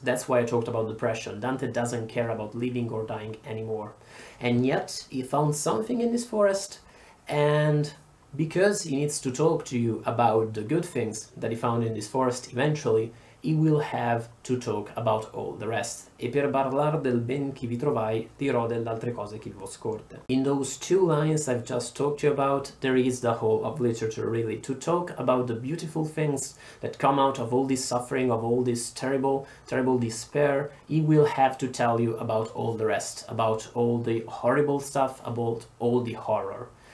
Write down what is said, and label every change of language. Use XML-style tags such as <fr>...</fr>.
<en>That's why I talked about depression. Dante doesn't care about living or dying anymore. And yet he found something in this forest, and because he needs to talk to you about the good things that he found in this forest eventually, he will have to talk about all the rest.</en> <it>E per parlar del ben che vi trovai, dirò delle altre cose che vi ho scorte.</it> <en>In those two lines I've just talked to you about, there is the whole of literature, really. To talk about the beautiful things that come out of all this suffering, of all this terrible, terrible despair, he will have to tell you about all the rest, about all the horrible stuff, about all the horror.</en>